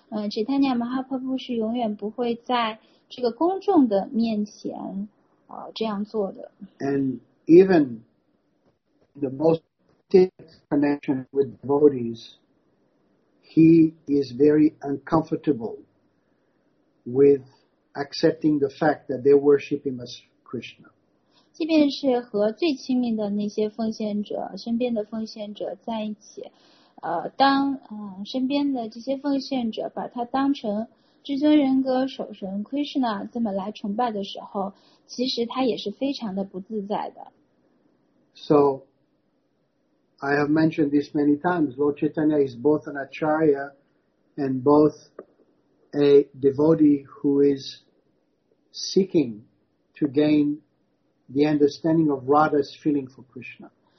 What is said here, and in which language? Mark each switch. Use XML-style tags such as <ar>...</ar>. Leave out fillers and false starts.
<zh>Chaitanya Mahaprabhu 是永远不会在这个公众的面前这样做的。</zh> <en>And even the most intimate connection with devotees, he is very uncomfortable with accepting the fact that they worship him as Krishna.</en> <zh>即便是和最亲密的那些奉献者、身边的奉献者在一起，当身边的这些奉献者把他当成至尊人格守神 Krishna 这么来崇拜的时候，其实他也是非常的不自在的。</zh> <en>So, I have mentioned this many times. Lord Chaitanya is both an acharya and both a devotee who is seeking to gain the understanding of Radha's feeling for Krishna.</en>